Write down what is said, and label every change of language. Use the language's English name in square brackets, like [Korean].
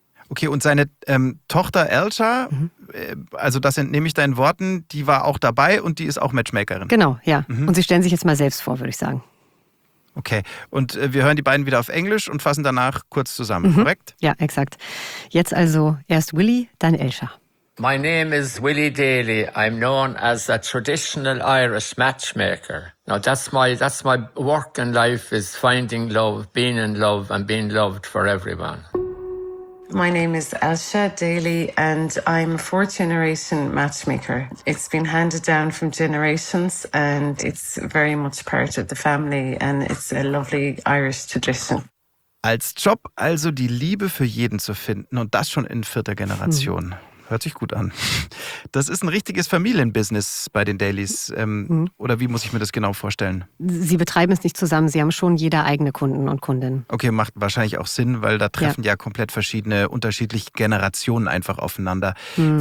[German] Okay, und seine Tochter Elsa, mhm, also das entnehme ich deinen Worten, die war auch dabei und die ist auch Matchmakerin. Genau, ja. Mhm. Und sie stellen sich jetzt mal selbst vor, würde ich sagen. Okay, und wir hören die beiden wieder auf Englisch und fassen danach kurz zusammen, mhm, korrekt? Ja, exakt. Jetzt also erst Willie, dann Elsa. [English] My name is Willie Daly. I'm known as a traditional Irish matchmaker. Now that's my work in life is finding love, being in love and being loved for everyone. My name is Elsa Daly and I'm a fourth generation matchmaker. It's been handed down from generations and it's very much part of the family and it's a lovely Irish tradition. [German] Als Job also die Liebe für jeden zu finden und das schon in vierter Generation. Hm. Hört sich gut an. Das ist ein richtiges Familienbusiness bei den Dailies. Oder wie muss ich mir das genau vorstellen? Sie betreiben es nicht zusammen. Sie haben schon jeder eigene Kunden und Kundinnen. Okay, macht wahrscheinlich auch Sinn, weil da treffen ja komplett verschiedene, unterschiedliche Generationen einfach aufeinander. Mhm.